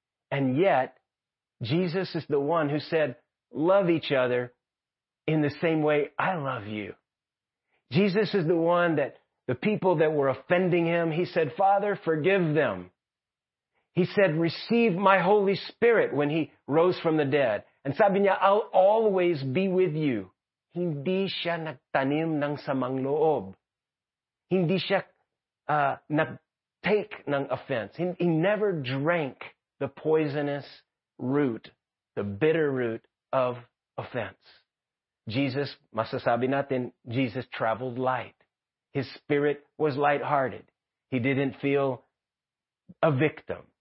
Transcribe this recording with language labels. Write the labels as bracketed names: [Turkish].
[English] And yet, Jesus is the one who said, love each other in the same way I love you. Jesus is the one that the people that were offending him, he said, Father, forgive them. He said, receive my Holy Spirit when he rose from the dead. And [Filipino] sabi niya, [English] I'll always be with you. [Filipino] Hindi siya nagtanim ng samang loob. Hindi siya nagtake ng offense. [English] He never drank the poisonous root, the bitter root of offense. Jesus, [Filipino] masasabi natin, [English] Jesus traveled light. His spirit was lighthearted. He didn't feel a victim.